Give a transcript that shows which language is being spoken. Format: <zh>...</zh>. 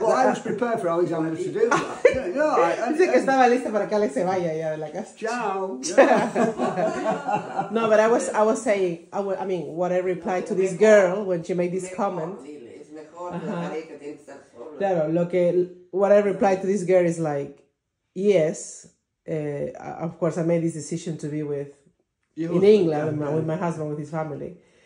<en>Well, I was prepared for Alexander to do that. Yeah, yeah.</en> <es>Dice que estaba lista para que Alex se vaya ya de la casa.</es> <it>Ciao.</it> <en>No, but I was saying, I mean, what I replied to this girl when she made this comment. Uh-huh.</en> <es>Claro, lo que</es> <en>what I replied to this girl is like, yes. Of course, I made this decision to be with you in England, yeah, yeah. with my husband, with his family.</en>